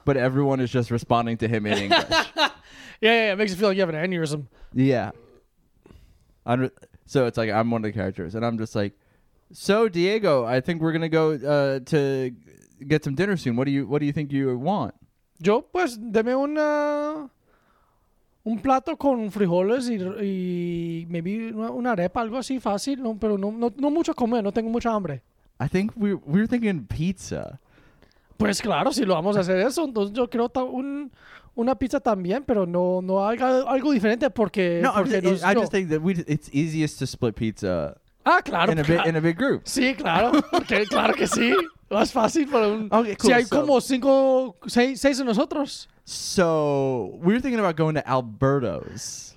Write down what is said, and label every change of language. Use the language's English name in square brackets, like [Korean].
[English] But everyone is just responding to him in English. Yeah, it makes you feel like you have an aneurysm. Yeah. So it's like I'm one of the characters. And I'm just like, so Diego, I think we're going to go to get some dinner soon. What do you think you want? [Spanish] Yo, pues, deme una... Un plato con frijoles y maybe una arepa, algo así fácil, no, pero no mucho comer, no tengo mucha hambre. [English] I think we're thinking pizza. [Spanish] Pues claro, si lo vamos a hacer eso, entonces yo quiero una pizza también, pero no algo diferente porque... [English] No, I just think that it's easiest to split pizza in a big group. [Spanish] Sí, claro, porque, claro que sí, más fácil para un... Okay, cool, si hay como seis de nosotros... [English] So, we were thinking about going to Alberto's.